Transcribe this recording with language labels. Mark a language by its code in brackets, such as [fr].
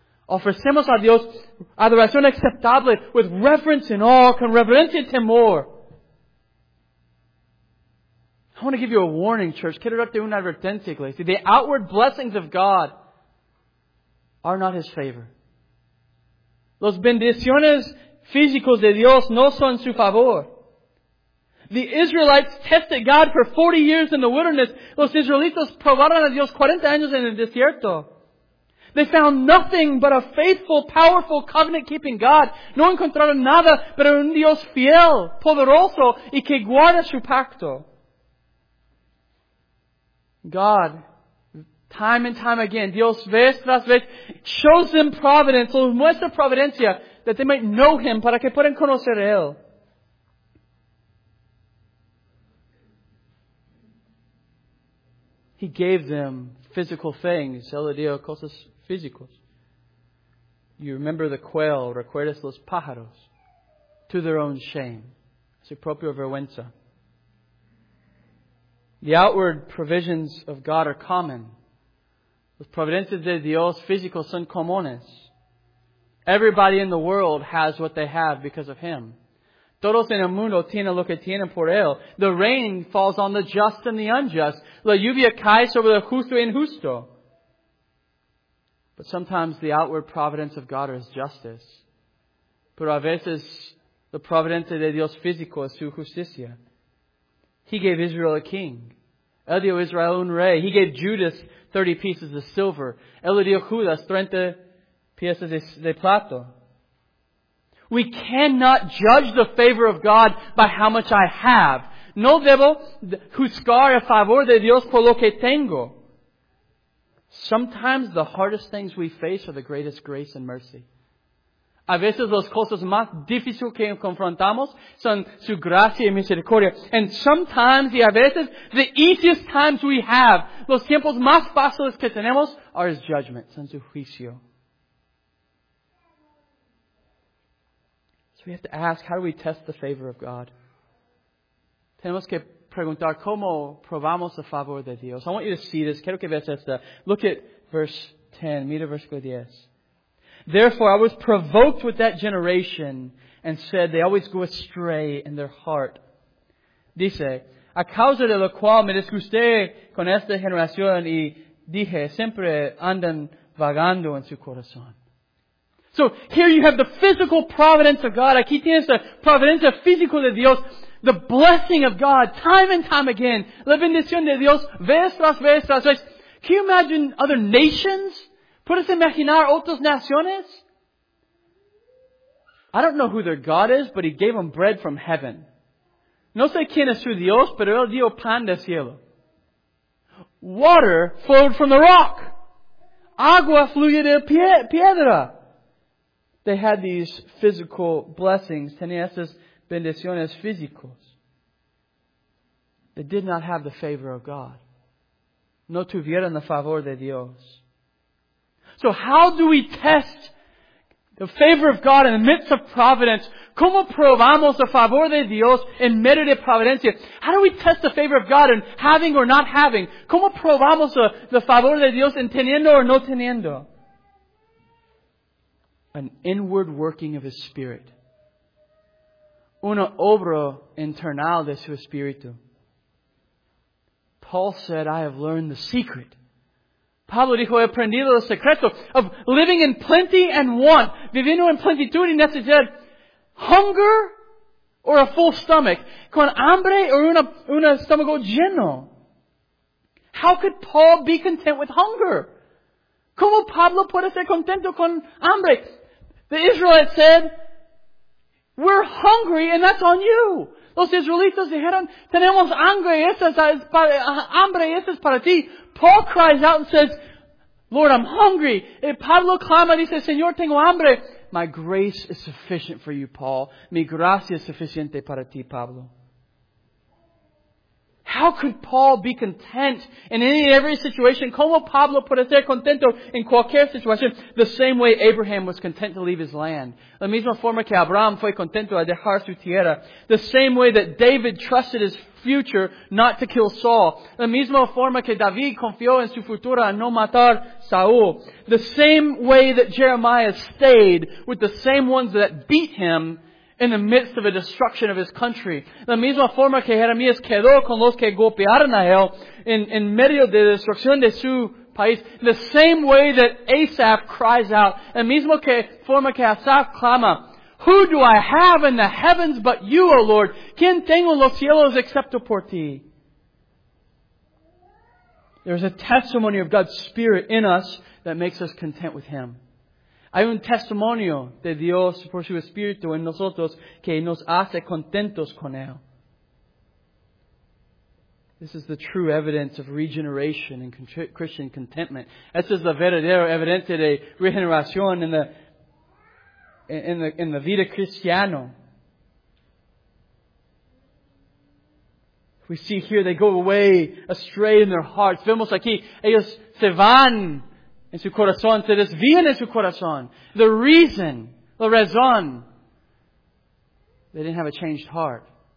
[es] Ofrecemos a Dios adoración aceptable [en] with reverence and awe, [es] con reverencia y temor. [en] I want to give you a warning, church. [es] Quiero darte una advertencia, iglesia. [en] The outward blessings of God are not His favor. [es] Los bendiciones físicos de Dios no son su favor. [en] The Israelites tested God for 40 years in the wilderness. [es] Los israelitas probaron a Dios 40 años en el desierto. [en] They found nothing but a faithful, powerful, covenant-keeping God. [es] No encontraron nada pero un Dios fiel, poderoso, y que guarda su pacto. [en] God, time and time again, [es] Dios, vez tras vez, [en] shows them providence, [es] los muestra providencia, [en] that they might know Him, [es] para que puedan conocer a Él. [en] He gave them physical things, [es] Él le dio cosas físicas. [en] You remember the quail, [es] recuerdas los pájaros, [en] to their own shame, [es] su propia vergüenza. [en] The outward provisions of God are common. [es] Los providencias de Dios físicos son comunes. [en] Everybody in the world has what they have because of Him. [es] Todos en el mundo tienen lo que tienen por Él. [en] The rain falls on the just and the unjust. [es] La lluvia cae sobre el justo e injusto. [en] But sometimes the outward providence of God is justice. [es] Pero a veces, la providencia de Dios físico es su justicia. [en] He gave Israel a king. [es] Él dio Israel un rey. [en] He gave Judas 30 pieces of silver. [es] Él dio Judas 30 piezas de plata. [en] We cannot judge the favor of God by how much I have. [es] No debo juzgar el favor de Dios por lo que tengo. [en] Sometimes the hardest things we face are the greatest grace and mercy. [es] A veces las cosas más difíciles que confrontamos son su gracia y misericordia. [en] And sometimes, [es] y a veces, [en] the easiest times we have, [es] los tiempos más fáciles que tenemos, [en] are His judgment, [es] son su juicio. [en] So we have to ask, how do we test the favor of God? [es] Tenemos que preguntar, ¿cómo probamos el favor de Dios? [en] I want you to see this. [es] Quiero que veas esto. [en] Look at verse 10. [es] Mira versículo 10. [en] Therefore, I was provoked with that generation and said, they always go astray in their heart. [es] Dice, a causa de lo cual me disgusté con esta generación y dije, siempre andan vagando en su corazón. [en] So, here you have the physical providence of God. [es] Aquí tienes la providencia física de Dios. [en] The blessing of God, time and time again. [es] La bendición de Dios, vez tras vez tras vez. [en] Can you imagine other nations? [es] ¿Puedes imaginar otras naciones? [en] I don't know who their God is, but He gave them bread from heaven. [es] No sé quién es su Dios, pero Él dio pan del cielo. [en] Water flowed from the rock. [es] Agua fluye de piedra. [en] They had these physical blessings. [es] Tenían estas bendiciones físicas. [en] They did not have the favor of God. [es] No tuvieron el favor de Dios. [en] So how do we test the favor of God in the midst of providence? [es] ¿Cómo probamos el favor de Dios en medio de providencia? [en] How do we test the favor of God in having or not having? [es] ¿Cómo probamos el favor de Dios en teniendo or no teniendo? [en] an inward working of His Spirit. [es] Una obra internal de su Espíritu. [en] Paul said, I have learned the secret. [es] Pablo dijo, he aprendido el secreto [en] of living in plenty and want, [es] viviendo en plenitud y necesidad, [en] hunger or a full stomach, [es] con hambre o un estómago lleno. [en] How could Paul be content with hunger? [es] ¿Cómo Pablo puede ser contento con hambre? [en] The Israelites said, we're hungry and that's on you. [es] Los israelitas dijeron, tenemos hambre, esa es para ti. [en] Paul cries out and says, Lord, I'm hungry. [es] Y Pablo clama y dice, Señor, tengo hambre. [en] My grace is sufficient for you, Paul. [es] Mi gracia es suficiente para ti, Pablo. [en] How could Paul be content in any and every situation? [es] ¿Cómo Pablo puede ser contento en cualquier situación? [en] The same way Abraham was content to leave his land. [es] La misma forma que Abraham fue contento a dejar su tierra. [en] The same way that David trusted his future not to kill Saul. [es] La misma forma que David confió en su futuro a no matar Saúl. [en] The same way that Jeremiah stayed with the same ones that beat him in the midst of a destruction of his country. [es] La misma forma que Jeremías quedó con los que golpearon a él en medio de la destrucción de su país. [en] The same way that Asaph cries out. [es] La misma forma que Asaph clama, [en] who do I have in the heavens but you, O Lord? [es] ¿Quién tengo los cielos excepto por ti? [en] There's a testimony of God's Spirit in us that makes us content with Him. [es] Hay un testimonio de Dios por su Espíritu en nosotros que nos hace contentos con Él. [en] This is the true evidence of regeneration and Christian contentment. [es] Esta es la verdadera evidencia de regeneración en la vida cristiana. [en] We see here they go away astray in their hearts. [es] Vemos aquí, ellos se van en su corazón, se desvían en su corazón. [en] The reason, [es] la razón, [en] they didn't have a changed heart.